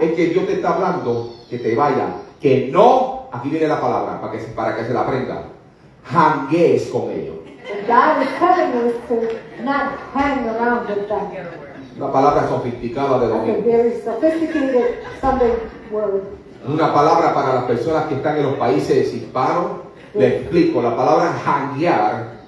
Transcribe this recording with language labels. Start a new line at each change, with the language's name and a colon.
Spanish: es que Dios te está hablando que te vaya, que no, aquí viene la palabra para que se la aprenda, hangues con ellos.
English: And God is telling us to not hang around with them.
Spanish: Una palabra sofisticada de
English: domingo. That's a very sophisticated Sunday word.
Spanish: Una palabra para las personas que están en los países hispanos, le explico, la palabra hanguear.